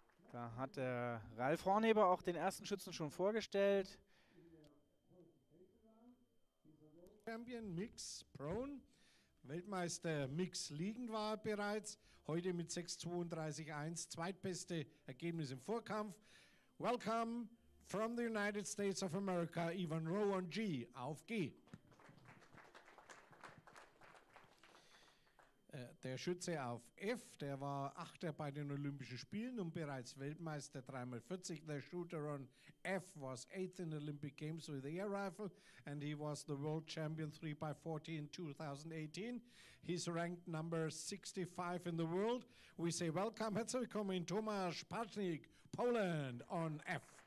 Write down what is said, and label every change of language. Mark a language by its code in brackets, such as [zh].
[de] Da hat der Ralf Hornheber auch den ersten Schützen schon vorgestellt. Champion Mix Prone, Weltmeister Mix liegend war bereits, heute mit 6:32:1 zweitbeste Ergebnis im Vorkampf. [en] Welcome from the United States of America, Ivan Rowan G. [de] Auf G. Der Schütze auf F, der war Achter bei den Olympischen Spielen und bereits Weltmeister 3x40. [en] The shooter on F was 8th in Olympic Games with the air rifle and he was the world champion 3x40 in 2018. He's ranked number 65 in the world. We say welcome, [de] herzlich willkommen, [en] Tomasz Partnik, Poland on F.